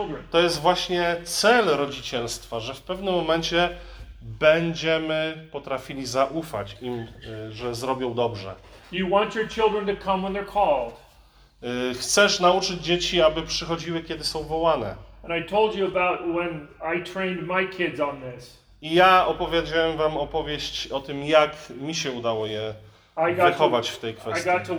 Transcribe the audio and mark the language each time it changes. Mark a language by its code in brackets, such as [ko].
[pl] To jest właśnie cel rodzicielstwa, że w pewnym momencie będziemy potrafili zaufać im, że zrobią dobrze. [en] You want your children to come when they're called. [pl] Chcesz nauczyć dzieci, aby przychodziły, kiedy są wołane. [en] And I told you about when I trained my kids on this. [pl] I ja opowiedziałem wam opowieść o tym, jak mi się udało je wychować w tej kwestii.